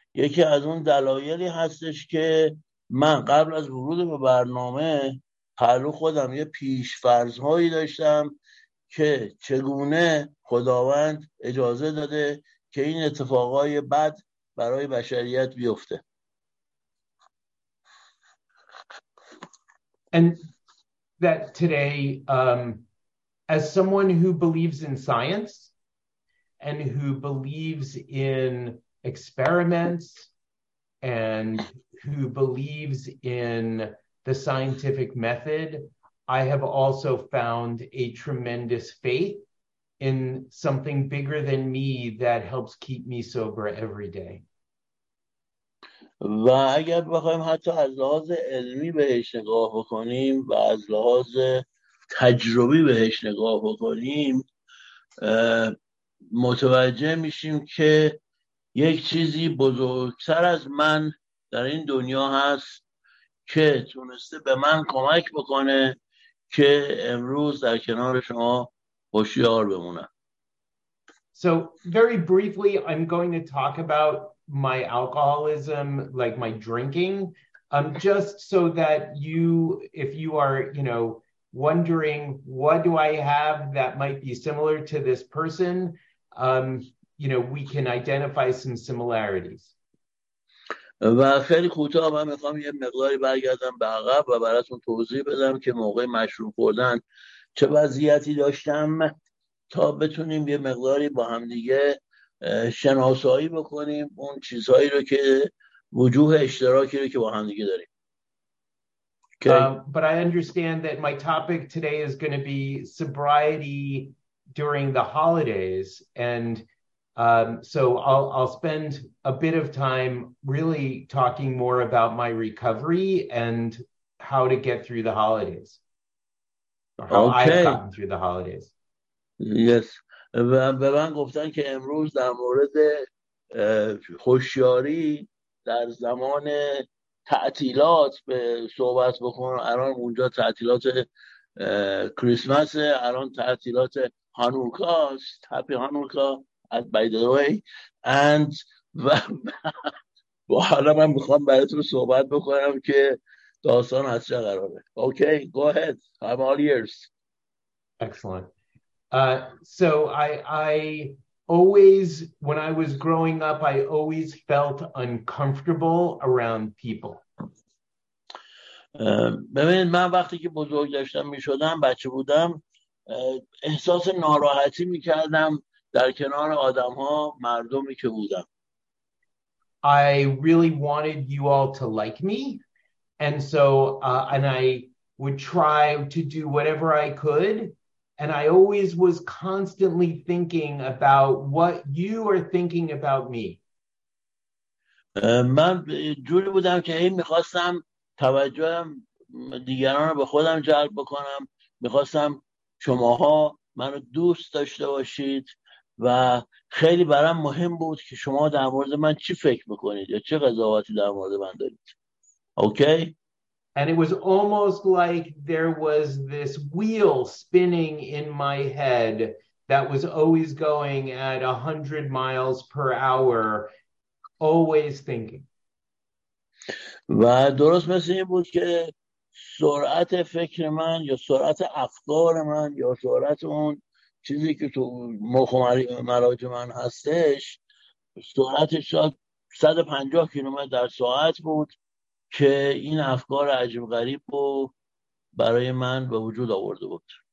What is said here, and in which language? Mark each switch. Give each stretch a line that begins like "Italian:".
Persian: یکی از اون دلایلی هستش که من قبل از ورود به برنامه پلو خودم یه پیش فرض‌هایی داشتم که چگونه خداوند اجازه داده که این اتفاقای بد برای بشریت بیفته.
English: And that today, as someone who believes in science and who believes in experiments and who believes in the scientific method, I have also found a tremendous faith in something bigger than me that helps keep me sober every day.
Persian: و اگر بخوایم حتی از لحاظ علمی بهش نگاه بکنیم و از لحاظ تجربی بهش نگاه بکنیم، متوجه میشیم که یک چیزی بزرگتر از من در این دنیا هست که تونسته به من کمک بکنه که امروز در کنار شما هوشیار بمونم.
English: So very briefly, I'm going to talk about my alcoholism, like my drinking, just so that you, if you are, you know, wondering what do I have that might be similar to this person, you know, we can identify some similarities.
Persian: و خیلی کوتاه من میخوام یه مقداری برگردم به عقب و براتون توضیح بدم که موقع مشروب خوردن چه وضعیتی داشتم تا بتونیم یه مقداری با هم دیگه شناسایی بکنیم اون چیزهایی رو که وجوه اشتراکی رو که با هم دیگه داریم.
English: Okay. But I understand that my topic today is going to be sobriety during the holidays and so I'll spend a bit of time really talking more about my recovery and how to get through the holidays. How okay. I've gotten through the holidays. Yes.
Persian: به من گفتن که امروز در مورد هوشیاری در زمان تعطیلات به صحبت بکن. الان اونجا تعطیلات کریسمس، الان تعطیلات هانوکا است. هپی هانوکا.
English: By the way, and
Persian: و با حالا من میخوام براتون صحبت بکنم که داستان از چه قراره.
English: Okay, go ahead, I'm all ears. Excellent. So I always, when I was growing up, I always felt uncomfortable around people.
Persian: ببینید، من وقتی که بزرگ داشتم میشدم، بچه بودم، احساس ناراحتی میکردم در کنار آدم ها، مردمی که بودم.
English: I really wanted you all to like me, and so and I would try to do whatever I could. And I always was constantly thinking about what you are thinking about me.
Persian: من جوری بودم که این میخواستم توجه دیگران رو به خودم جلب بکنم. میخواستم شماها منو دوست داشته باشید و خیلی برام مهم بود که شما در مورد من چی فکر میکنید یا چه قضاوتی در مورد من دارید.
English: Okay? And it was almost like there was this wheel spinning in my head that was always going at 100 miles per hour, always thinking.
Persian: و درست مثل این بود که سرعت فکر من یا سرعت افکار من یا سرعت اون چیزی که تو مخ مراجع من هستش، سرعتش 150 کیلومتر در ساعت بود که این افکار عجیب غریب رو برای من به وجود آورده بود.